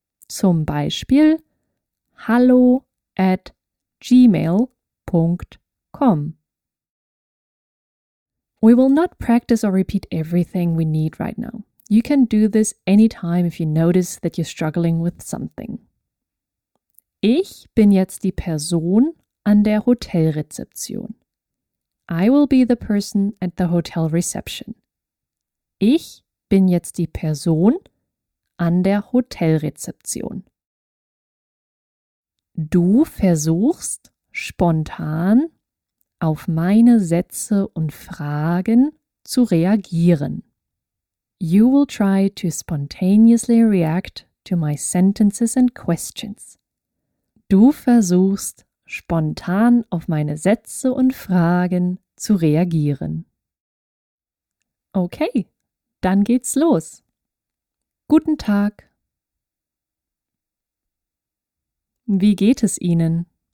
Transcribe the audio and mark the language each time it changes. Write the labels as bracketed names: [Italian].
[German] Zum Beispiel hallo@gmail.com. [English] We will not practice or repeat everything we need right now. You can do this anytime if you notice that you're struggling with something. [German] Ich bin jetzt die Person an der Hotelrezeption. [English] I will be the person at the hotel reception. [German] Ich bin jetzt die Person an der Hotelrezeption. Du versuchst spontan auf meine Sätze und Fragen zu reagieren. [English] You will try to spontaneously react to my sentences and questions. [German] Du versuchst spontan auf meine Sätze und Fragen zu reagieren. Okay, dann geht's los. Guten Tag. Wie geht es Ihnen?